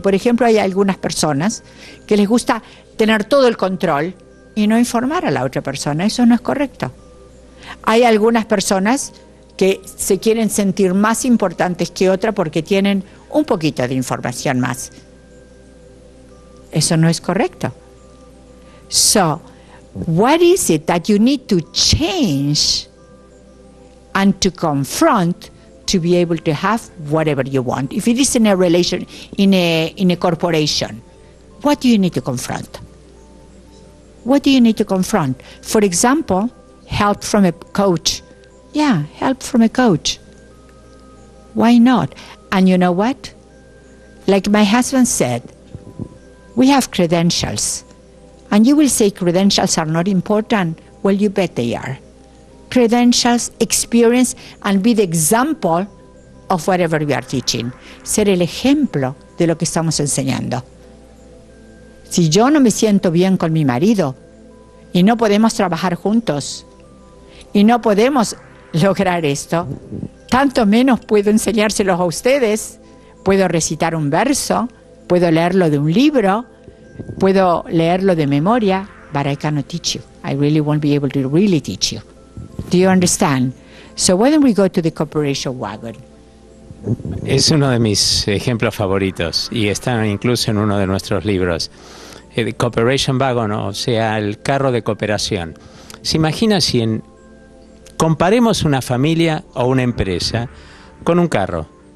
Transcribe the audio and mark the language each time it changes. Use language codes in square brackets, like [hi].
[es] Por ejemplo, hay algunas personas que les gusta tener todo el control y no informar a la otra persona. Eso no es correcto. Hay algunas personas que se quieren sentir más importantes que otra porque tienen un poquito de información más. Eso no es correcto. [en] So, what is it that you need to change and to confront to be able to have whatever you want? If it is in a relation, in a corporation, what do you need to confront? What do you need to confront? For example, help from a coach. Yeah, help from a coach. Why not? And you know what? Like my husband said, we have credentials. And you will say credentials are not important. Well, you bet they are. Credentials, experience, and be the example of whatever we are teaching. [es] Ser el ejemplo de lo que estamos enseñando. Si yo no me siento bien con mi marido y no podemos trabajar juntos y no podemos lograr esto, tanto menos puedo enseñárselos a ustedes. Puedo recitar un verso, puedo leerlo de un libro, puedo leerlo de memoria, [en] but I cannot teach you. I really won't be able to really teach you. Do you understand? So why don't we go to the corporation wagon? [es] Es uno de mis ejemplos favoritos y está incluso en uno de nuestros libros. El corporation wagon, o sea, el carro de cooperación. ¿Se imagina si comparemos una familia o una empresa con un carro?